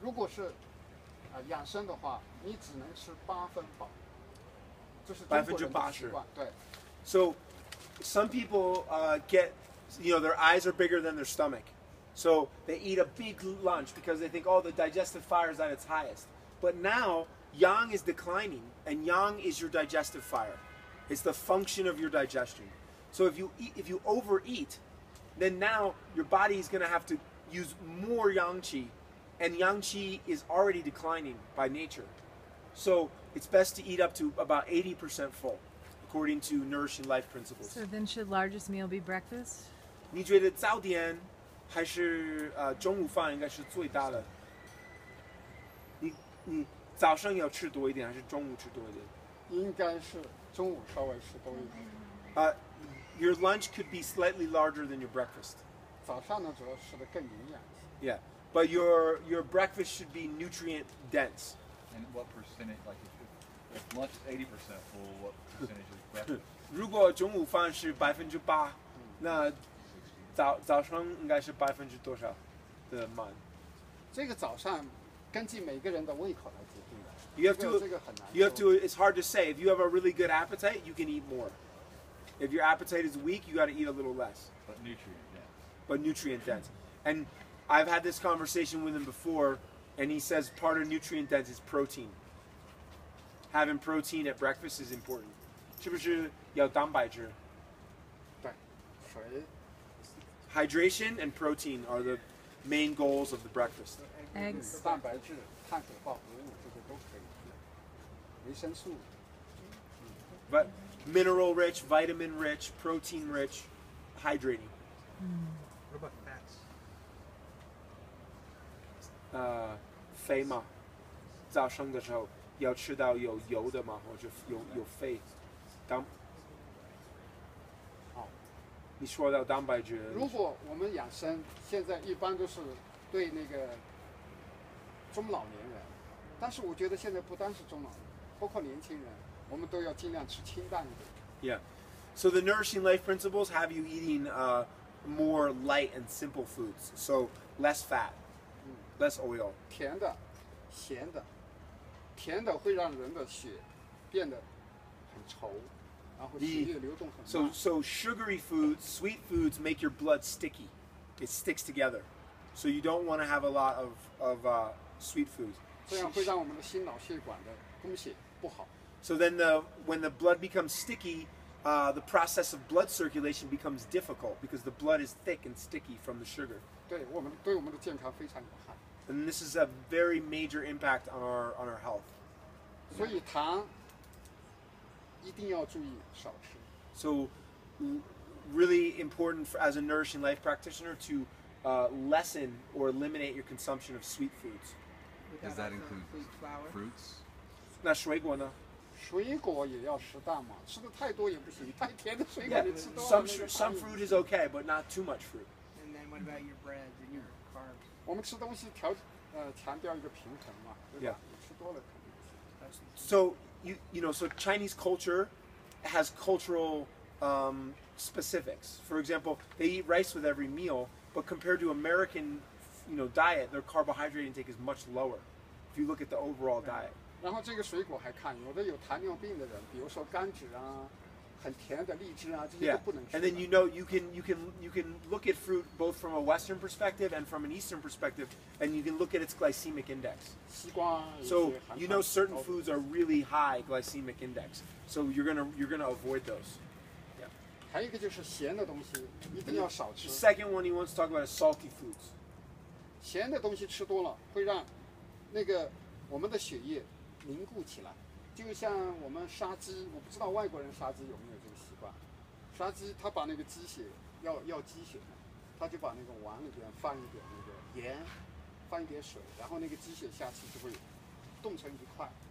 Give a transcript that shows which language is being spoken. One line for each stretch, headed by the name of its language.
Chinese: 如果是养生的话，你只能吃八分饱，这是中国人的习惯。对。
English: So, some people get, you know, their eyes are bigger than their stomach. So they eat a big lunch because they think, oh, the digestive fire is at its highest. But now, yang is declining, and yang is your digestive fire. It's the function of your digestion. So if you eat, if you overeat, then now your body is going to have to use more yang qi, and yang qi is already declining by nature. So it's best to eat up to about 80% full, according to nourishing life principles. So then should largest meal be breakfast?
Chinese: 你觉得早点还是中午饭应该是最大的？你早上要吃多一点还是中午吃多一点？应该是中午稍微吃多一点。
English: Your lunch could be slightly larger than your breakfast.
Chinese: 早上呢，主要吃的更营养。
English: Yeah, but your breakfast should be nutrient dense. And what percentage, like if lunch is 80% full, what percentage is breakfast?
Chinese: 如果中午饭是8%，那早上应该是多少的满？这个早上根据每个人的胃口来决定的。
English: It's hard to say. If you have a really good appetite, you can eat more. If your appetite is weak, you got to eat a little less. But nutrient dense. And I've had this conversation with him before, and he says part of nutrient dense is protein. Having protein at breakfast is important.
Chinese: 是不是要蛋白质？对，水。
English: Hydration and protein are the main goals of the breakfast. Eggs.
Chinese: 蛋白质、碳水化合物这些都可以。维生素。
English: But mineral rich, vitamin rich, protein rich, hydrating. What about fats?
Chinese: Fei ma. 早上的时候要吃到有油的吗？或者有肥？你说到蛋白质。如果我们养生，现在一般都是对那个中老年人，但是我觉得现在不单是中老年人，包括年轻人，我们都要尽量吃清淡一点。
English: Yeah, so the nourishing life principles have you eating more light and simple foods, so less fat, less oil.
Chinese: 甜的，咸的，甜的会让人的血变得很稠，然后血液流动很慢。
English: So sugary foods, sweet foods make your blood sticky. It sticks together. So you don't want to have a lot of sweet foods.
Chinese: 这样会让我们的心脑血管的供血不好。
English: So then when the blood becomes sticky, the process of blood circulation becomes difficult because the blood is thick and sticky from the sugar.
Chinese: 对我们的健康非常有害。
English: And this is a very major impact on our health.
Chinese: 所以糖一定要注意少吃。
English: So really important as a nourishing life practitioner to lessen or eliminate your consumption of sweet foods. Does that include fruits?
Chinese: 那水果呢？水果也要适当嘛，吃的太多也不行，太甜的水果你吃多了。
English: Some fruit is okay, but not too much fruit. And then what about your breads and your carbs?
Chinese: 我们吃东西强调一个平衡嘛，对吧？吃多了肯定不行。
English: So you know, Chinese culture has cultural specifics. For example, they eat rice with every meal, but compared to American, you know, diet, their carbohydrate intake is much lower. If you look at the overall diet.
Chinese: 然后这个水果还看，有的有糖尿病的人，比如说甘蔗啊，很甜的荔枝啊，这些都不能吃。
English: Yeah. And then you know you can look at fruit both from a Western perspective and from an Eastern perspective, and you can look at its glycemic index.
Chinese: 西瓜。
English: So you know certain foods are really high glycemic index, so you're gonna avoid those. Yeah.
Chinese: 还有一个就是咸的东西一定要少吃。
English: Second one he wants to talk about is salty foods.
Chinese: 咸的东西吃多了会让那个我们的血液凝固起来，就像我们杀鸡，我不知道外国人杀鸡有没有这个习惯。杀鸡，他把那个鸡血要鸡血嘛，他就把那个碗里边放一点那个盐，放一点水，然后那个鸡血下去就会冻成一块。